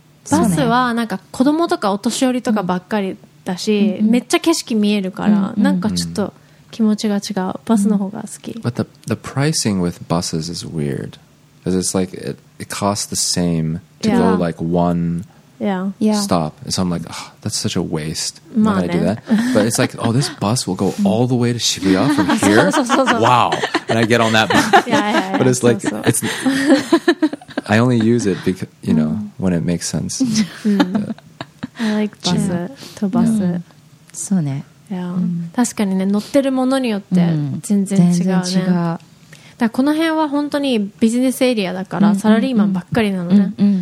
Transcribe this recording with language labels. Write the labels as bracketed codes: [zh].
[ja] バスはなんか子供とかお年寄りとかばっかりだし、めっちゃ景色見えるから、なんかちょっと気持ちが違う。バスの方が好き。 [en] But the pricing with buses is weird. Because it's like it costs the same to go like one stop. So I'm like, oh, that's such a waste. Why did I do that? But it's like, oh, this bus will go all the way to Shibuya from here? Wow. And I get on that bus. But it's like, it's. I only use it because, you know, when it makes sense. I like bus it. To bus it. So, ne. Yeah. [ja] 確かにね、乗ってるものによって全然違うね。全然違う。だからこの辺は本当にビジネスエリアだからサラリーマンばっかりなのね。